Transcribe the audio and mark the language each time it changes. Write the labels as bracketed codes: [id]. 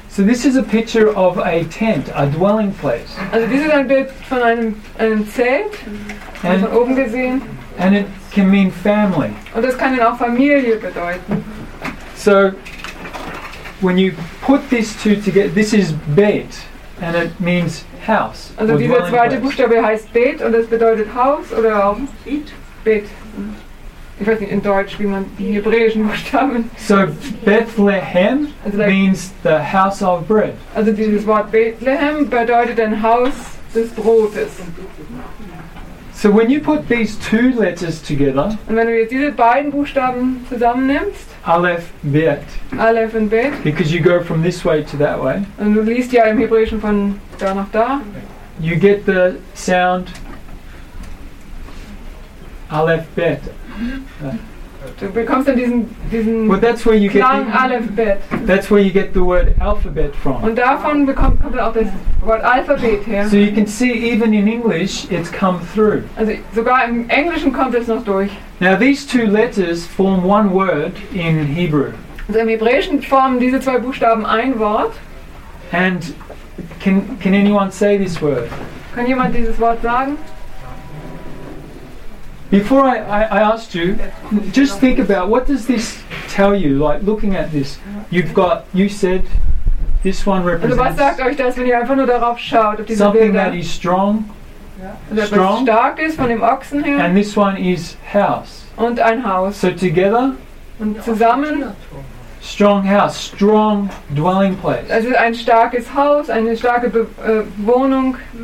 [en] So this is a picture of a tent, a dwelling place. [de] Also dies ist ein Bild von einem Zelt, and, von oben gesehen. [en] And it can mean family. [de] Und das kann dann auch Familie bedeuten. [en] So when you put these two together, this is Bet, and it means house. [de] Also dieser zweite Buchstabe heißt Bet und das bedeutet Haus oder auch Bet. Bet. Ich weiß nicht in Deutsch, wie man die hebräischen Buchstaben. [en] So Bethlehem means the house of bread. [de] Also dieses Wort Bethlehem bedeutet ein Haus des Brotes. [en] So when you put these two letters together. [de] Und wenn du jetzt diese beiden Buchstaben zusammennimmst. [en] Aleph Bet. [de] Aleph und Bet. [en] Because you go from this way to that way. [de] Und du liest ja im Hebräischen von da nach da. [en] You get the sound Aleph Bet. [de] Du bekommst dann diesen [en] well, that's where you [de] Klang [en] get the, Alphabet. That's where you get the word alphabet from. [de] Und davon kommt auch das Wort Alphabet her. [en] So you can see even in English it's come through. [de] Also sogar im Englischen kommt es noch durch. [en] Now these two letters form one word in Hebrew. [de] Also im Hebräischen formen diese zwei Buchstaben ein Wort. [en] And can anyone say this word? [de] Kann jemand dieses Wort sagen? [en] Before I asked you, just think about what does this tell you, like looking at this. You said this one represents [de] also was sagt euch das, wenn ihr einfach nur darauf schaut, auf diese [en] something [de] Bilder. [en] That is strong, yeah. [de] Strong, was stark ist von dem Ochsen her. [en] And this one is house. [de] Und ein Haus. [en] So together, [de] und zusammen, [en] strong house, strong dwelling place. [de] Also ein starkes Haus, eine starke Wohnung.